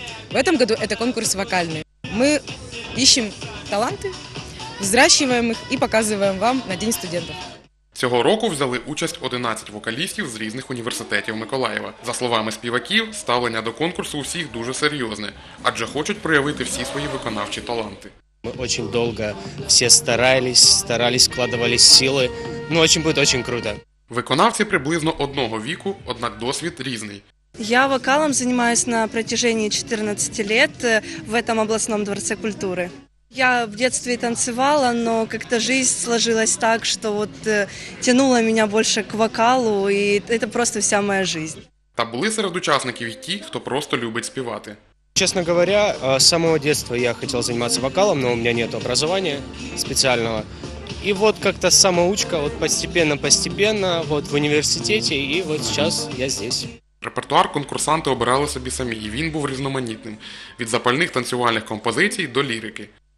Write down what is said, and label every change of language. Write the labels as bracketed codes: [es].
[uk] В цьому році це конкурс вокальний. Ми іщемо таланти, взращуємо їх і показуємо вам на День студентів. Цього року взяли участь 11 вокалістів з різних університетів Миколаєва. За словами співаків, ставлення до конкурсу усіх дуже серйозне, адже хочуть проявити всі свої виконавчі таланти. [ru] Мы очень долго все старались, вкладывали силы. Ну, очень будет очень круто. [uk] Виконавці приблизно одного віку, однак досвід різний. [ru] Я вокалом [uk] займаюся [ru] на протяжении 14 лет в этом областном дворце культуры. Я в детстве танцевала, но как-то жизнь сложилась так, что вот тянула меня больше к вокалу, и это просто вся моя жизнь. [uk] Та були серед учасників і ті, хто просто любить співати. [ru] Честно говоря, с самого детства я хотел заниматься вокалом, но у меня нет образования специального. И вот как-то самоучка, вот постепенно-постепенно, вот в университете, и вот сейчас я здесь. [uk] Репертуар конкурсанти обирали собі самі, і він був різноманітним. Від запальних танцювальних композицій до лірики.